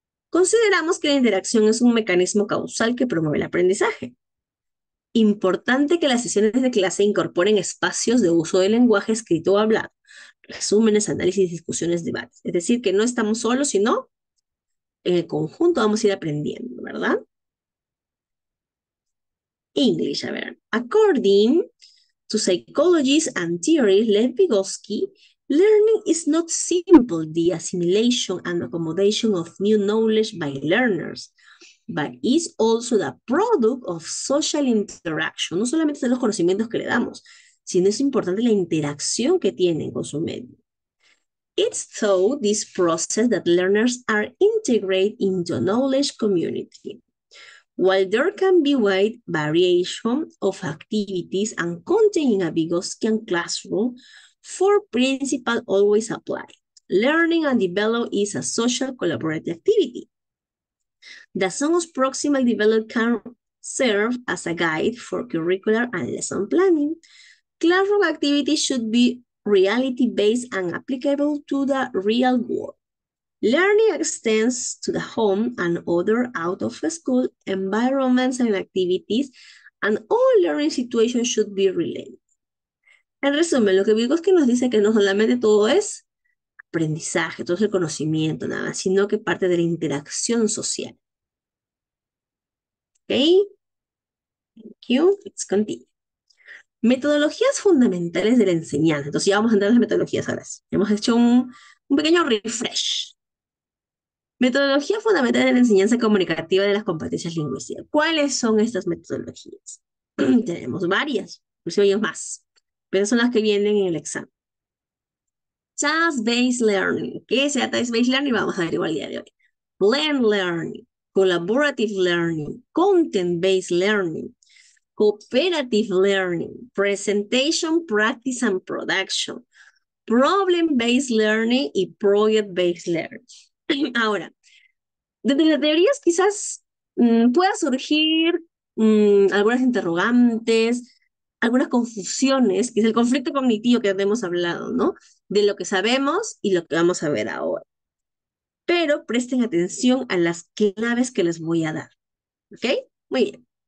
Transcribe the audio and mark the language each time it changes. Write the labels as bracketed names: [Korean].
[Spanish] Consideramos que la interacción es un mecanismo causal que promueve el aprendizaje. Importante que las sesiones de clase incorporen espacios de uso del lenguaje escrito o hablado. Resúmenes, análisis, discusiones, debates. Es decir, que no estamos solos, sino en el conjunto vamos a ir aprendiendo, ¿verdad? English, a ver. [English] According to psychologists and theorists, Lev Vygotsky, learning is not simply the assimilation and accommodation of new knowledge by learners, but is also the product of social interaction. [Spanish] No solamente son los conocimientos que le damos, sino es importante la interacción que tienen con su medio. [English] It's through this process that learners are integrated into a knowledge community. While there can be wide variation of activities and content in a Vygotskian classroom, four principles always apply. Learning and develop is a social collaborative activity. The Somos Proximal Develop can serve as a guide for curricular and lesson planning. Classroom activity should be reality-based and applicable to the real world. Learning extends to the home and other out-of-school environments and activities, and all learning situations should be related. [Spanish] En resumen, lo que Vygotsky es que nos dice que no solamente todo es aprendizaje, todo es el conocimiento, nada más, sino que parte de la interacción social. [English] ¿Ok? Thank you. Let's continue. [Spanish] Metodologías fundamentales de la enseñanza. Entonces ya vamos a entrar en las metodologías ahora. Hemos hecho un pequeño refresh. Metodología fundamental de la enseñanza comunicativa de las competencias lingüísticas. ¿Cuáles son estas metodologías? Tenemos varias, inclusive hay más. Pero son las que vienen en el examen. Task-based learning. ¿Qué es task-based learning? Vamos a averiguar el día de hoy. [English] Blend learning. Collaborative learning. Content-based learning. Cooperative learning, presentation, practice and production, problem-based learning y project-based learning. [Spanish] Ahora, desde las teorías quizás pueda surgir algunas interrogantes, algunas confusiones, que es el conflicto cognitivo que hemos hablado, ¿no? De lo que sabemos y lo que vamos a ver ahora. Pero presten atención a las claves que les voy a dar. ¿Ok? Muy bien.